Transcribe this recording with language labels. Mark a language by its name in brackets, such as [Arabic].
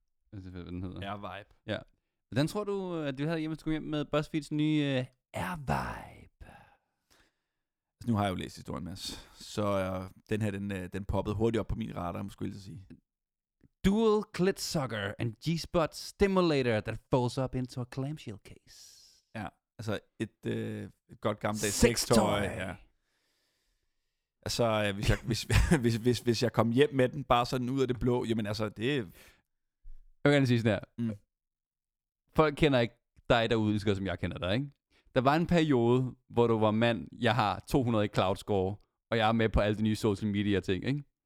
[Danish] Hvad er det, hvad den hedder? R-Vibe. Ja. Hvordan tror du, at de vil have det hjemme, hvis du kommer hjem med BuzzFeeds nye R-Vibe? Altså, nu har jeg jo læst historien, Mads. Så den her, den poppede hurtigt op på min radar, måske vil jeg sige. [English] Dual clit sucker and G-spot stimulator that folds up into a clamshell case. [Danish] Ja, altså et godt gammeldags sextoy. Ja. Altså hvis jeg kom hjem med den bare sådan ud af det blå, jamen altså det. Jeg vil gerne sige sådan her. Mm. Folk kender ikke dig derude, som jeg kender dig, ikke? Der var en periode, hvor du var mand. Jeg har 200 i cloud score, og jeg er med på alle de nye social media ting, ikke?